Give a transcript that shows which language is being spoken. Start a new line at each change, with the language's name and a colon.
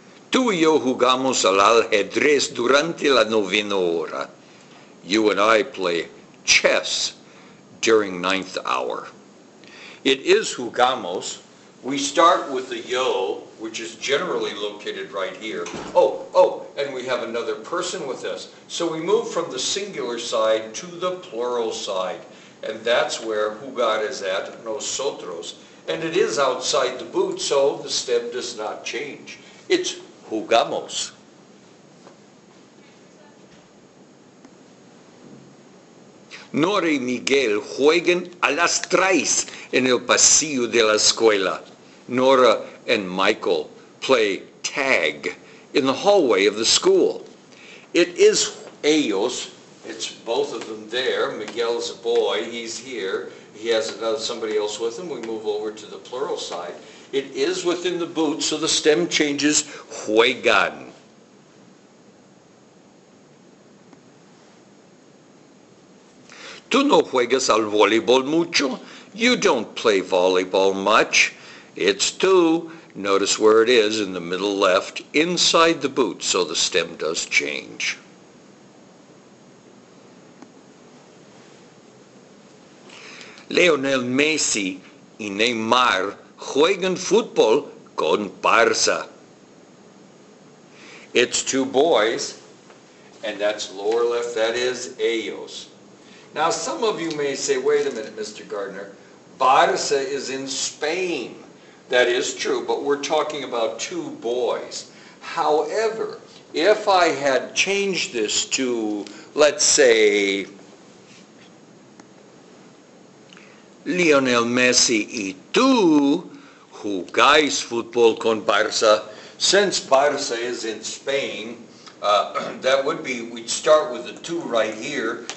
Spanish: Tú y yo jugamos al ajedrez durante la novena hora.
English: You and I play chess during ninth hour. It is jugamos. We start with the yo, which is generally located right here. Oh, and we have another person with us. So we move from the singular side to the plural side. And that's where jugar is at, nosotros. And it is outside the boot, so the stem does not change. It's jugamos.
Spanish: Nora y Miguel juegan a las tres en el pasillo de la escuela.
English: Nora and Michael play tag in the hallway of the school. It is ellos. It's both of them there. Miguel's a boy. He's here. He has somebody else with him. We move over to the plural side. It is within the boot, so the stem changes juegan.
Spanish: Tú no juegas al voleibol mucho.
English: You don't play volleyball much. It's tú. Notice where it is in the middle left, inside the boot, so the stem does change.
Spanish: Lionel Messi y Neymar juegan fútbol con Barça.
English: It's two boys, and that's lower left, that is ellos. Now some of you may say, wait a minute, Mr. Gardner, Barça is in Spain. That is true, but we're talking about two boys. However, if I had changed this to, let's say,
Spanish: Lionel Messi y tú jugáis fútbol con Barça,
English: since Barça is in Spain, that would be, we'd start with the two right here.